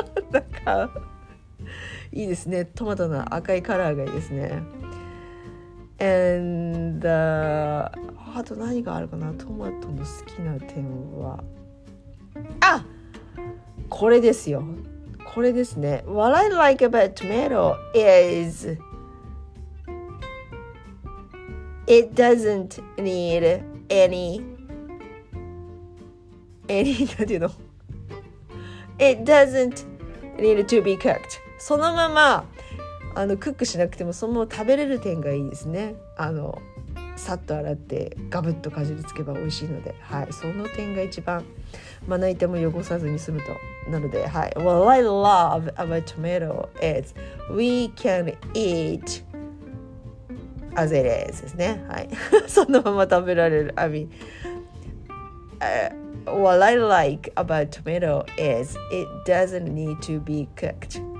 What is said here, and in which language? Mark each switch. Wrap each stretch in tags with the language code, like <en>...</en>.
<ja>なんかいいですね。トマトの赤いカラーがいいですね。And あと何があるかな。トマトの好きな点は、あ、これですよ。これですね。</ja> <en>What I like about tomato is it doesn't need any</en> <ja>なんていうの。</ja> <en>It doesn't need to be cooked.</en> <ja>そのままあのクックしなくてもそのまま食べれる点がいいですね。あのさっと洗ってガブッとかじりつけば美味しいので、はい、その点が一番まな板も汚さずに済むと。なので、はい、</ja> <en>What I love about tomato is we can eat as it is</en> <ja>ですね、はい、そのまま食べられる。</ja> <en>I mean、What I like about tomato is it doesn't need to be cooked。</en>